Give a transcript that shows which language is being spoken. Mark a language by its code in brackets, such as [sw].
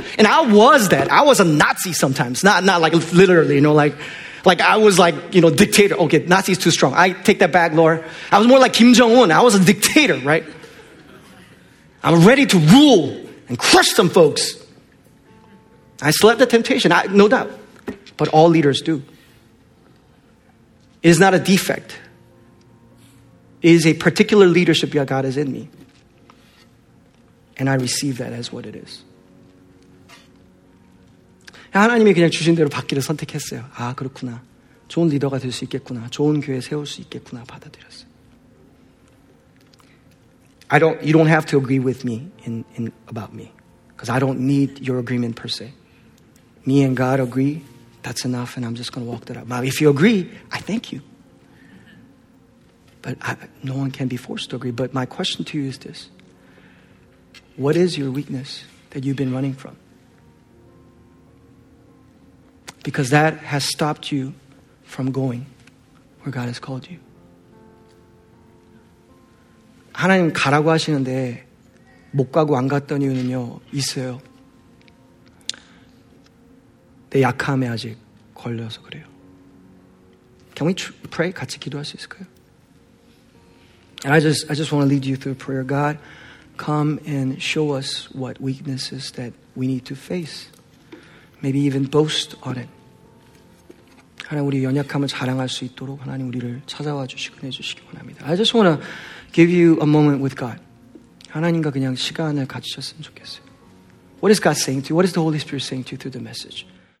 [en] And I was that. I was a Nazi sometimes. Not like literally, you know, like I was like, you know, dictator. Okay, Nazi is too strong. I take that back, Lord. I was more like Kim Jong-un. I was a dictator, right? I'm ready to rule and crush some folks. I slept the temptation, no doubt. But all leaders do. It is not a defect. It is a particular leadership that God has in me. And I receive that as what it is. [ko] 하나님이 그냥 주신 대로 받기를 선택했어요. 아, 그렇구나. 좋은 리더가 될 수 있겠구나. 좋은 교회 세울 수 있겠구나. 받아들였어요. [en] You don't have to agree with me in about me. Because I don't need your agreement per se. Me and God agree. That's enough. And I'm just going to walk that out. But if you agree, I thank you. But no one can be forced to agree. But my question to you is this. What is your weakness that you've been running from? Because that has stopped you from going where God has called you. [ko] 하나님 가라고 하시는데 못 가고 안 갔던 이유는요, 있어요. 내 약함에 아직 걸려서 그래요. [en] Can we pray? [ko] 같이 기도할 수 있을까요? [en] And I just want to lead you through prayer. God, come and show us what weaknesses that we need to face. Maybe even boast on it. [ko] 하나님 우리 연약함을 자랑할 수 있도록 하나님 우리를 찾아와 주시고 내주시기 원합니다. [en] I just want to give you a moment with God. [ko] 하나님과 그냥 시간을 가지셨으면 좋겠어요. [en] What is God saying to you? What is the Holy Spirit saying to you through the message?